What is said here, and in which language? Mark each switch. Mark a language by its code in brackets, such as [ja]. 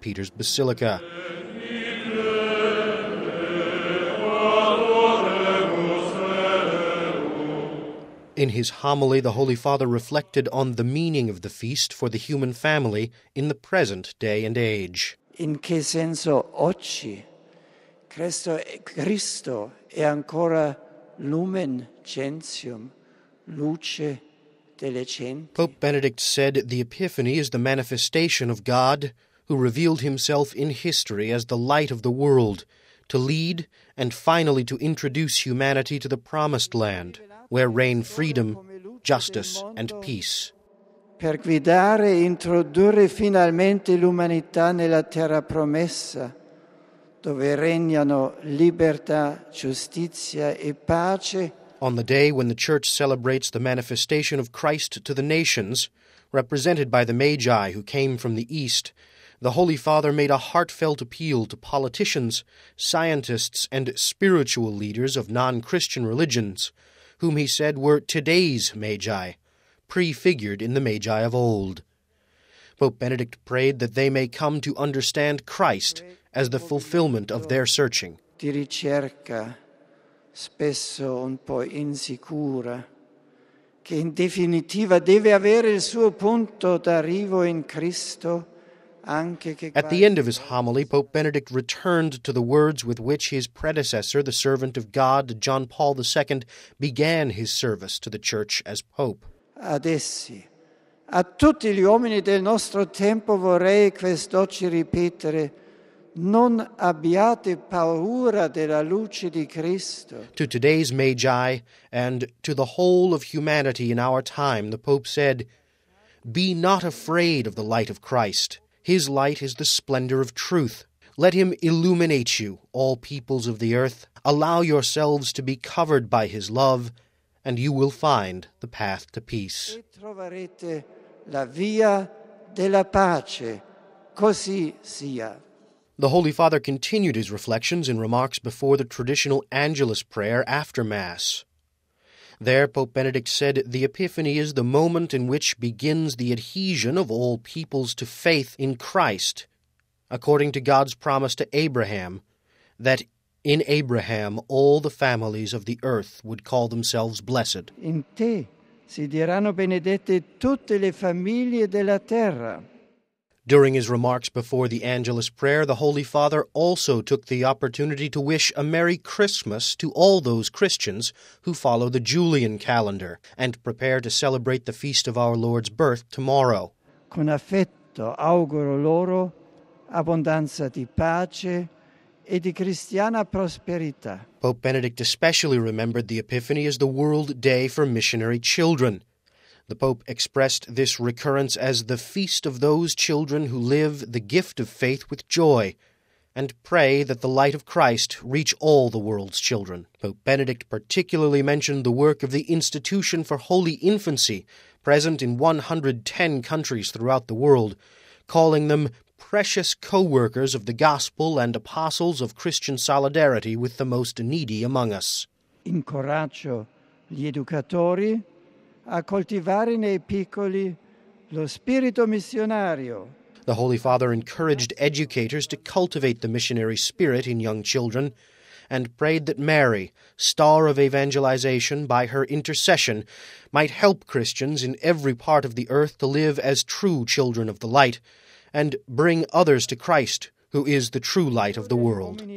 [en] Peter's Basilica. In his homily, the Holy Father reflected on the meaning of the feast for the human family in the present day and age. [it] In che senso oggi Cristo è ancora lumen gentium, luce delle genti? [en] Pope Benedict said the Epiphany is the manifestation of God who revealed himself in history as the light of the world to lead and finally to introduce humanity to the promised land, where reign freedom, justice, and peace. [it] Per guidare e introdurre finalmente l'umanità nella terra promessa, dove regnano libertà, giustizia e pace. [en] On the day when the Church celebrates the manifestation of Christ to the nations, represented by the Magi who came from the East, the Holy Father made a heartfelt appeal to politicians, scientists, and spiritual leaders of non-Christian religions, whom he said were today's Magi, prefigured in the Magi of old. Pope Benedict prayed that they may come to understand Christ as the fulfillment of their searching. [it] Di ricerca, spesso un po' insicura, che in definitiva deve avere il suo punto d'arrivo in Cristo. [en] At the end of his homily, Pope Benedict returned to the words with which his predecessor, the servant of God, John Paul II, began his service to the Church as Pope. [it] Ad essi, a tutti gli uomini del nostro tempo vorrei quest'oggi ripetere, non abbiate paura della luce di Cristo. [en] To today's Magi and to the whole of humanity in our time, the Pope said, be not afraid of the light of Christ. His light is the splendor of truth. Let him illuminate you, all peoples of the earth. Allow yourselves to be covered by his love, and you will find the path to peace. [it] E troverete la via della pace. Così sia. [en] The Holy Father continued his reflections in remarks before the traditional Angelus prayer after Mass. There, Pope Benedict said, the Epiphany is the moment in which begins the adhesion of all peoples to faith in Christ, according to God's promise to Abraham, that in Abraham all the families of the earth would call themselves blessed. [it] In te si diranno benedette tutte le famiglie della terra. [en] During his remarks before the Angelus prayer, the Holy Father also took the opportunity to wish a Merry Christmas to all those Christians who follow the Julian calendar and prepare to celebrate the feast of our Lord's birth tomorrow. [it] Con affetto auguro loro abbondanza di pace e di cristiana prosperità. [en] Pope Benedict especially remembered the Epiphany as the World Day for Missionary Children. The Pope expressed this recurrence as the feast of those children who live the gift of faith with joy and pray that the light of Christ reach all the world's children. Pope Benedict particularly mentioned the work of the Institution for Holy Infancy, present in 110 countries throughout the world, calling them precious co-workers of the gospel and apostles of Christian solidarity with the most needy among us. [it] Incoraggio gli educatori a coltivare nei piccoli lo spirito missionario. [en] The Holy Father encouraged educators to cultivate the missionary spirit in young children and prayed that Mary, star of evangelization, by her intercession, might help Christians in every part of the earth to live as true children of the light and bring others to Christ, who is the true light of the world.